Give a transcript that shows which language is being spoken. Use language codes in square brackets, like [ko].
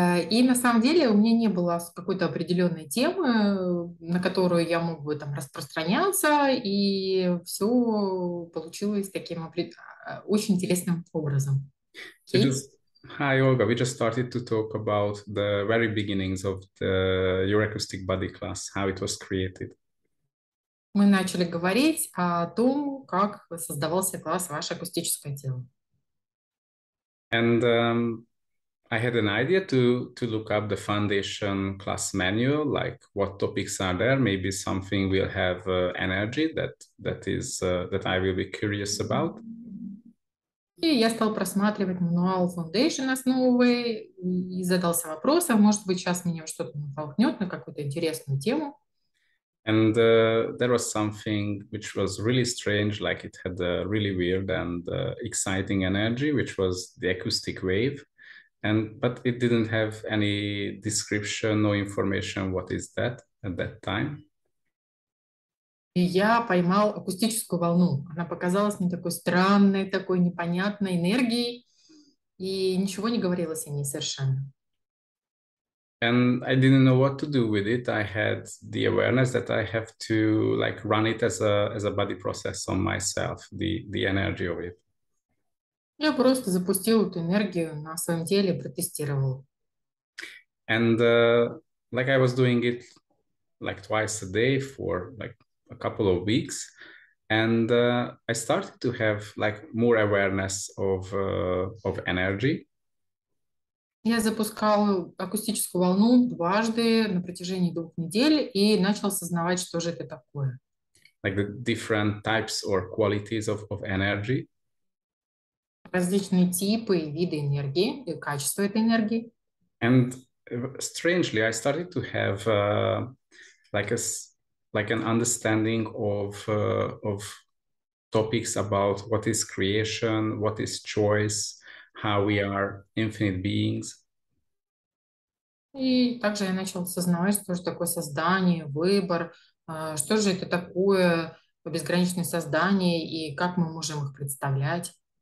[ru] И на самом деле у меня не было какой-то определенной темы, на которую я мог бы там распространяться, и все получилось таким очень интересным образом. [en] We Окей? just, hi Olga, we just started to talk about the very beginnings of the your acoustic body class, how it was created. [ru] Мы начали говорить о том, как создавался класс «Ваше акустическое тело». [en] And I had an idea to look up the foundation class manual, like what topics are there. Maybe something will have energy that I will be curious about. [ru] Я стал просматривать мануал Foundation основы и задался вопросом, может быть, сейчас меня что-то натолкнет на какую-то интересную тему. [en] And there was something which was really strange, like it had a really weird and exciting energy, which was the acoustic wave. But it didn't have any description or information what is that at that time. [ru] И я поймал акустическую волну. Она показалась мне такой странной, такой непонятной энергией, и ничего не говорилось о ней совершенно. [en] And I didn't know what to do with it. I had the awareness that I have to like run it as a body process on myself, the energy of it. [ru] Я просто запустил эту энергию на своем теле, протестировал. [en] And like I was doing it like twice a day for like a couple of weeks, and I started to have like more awareness of energy. [ru] Я запускал акустическую волну дважды на протяжении 2 недель и начал осознавать, что же это такое. [en] Like the different types or qualities of energy. [ru] Различные типы и виды энергии, и качество этой энергии. [en] And strangely, I started to have like a like an understanding of topics about what is creation, what is choice, how we are infinite beings. [ru] И также я начал осознавать, что же такое создание, выбор, что же это такое безграничное создание и как мы можем их представлять.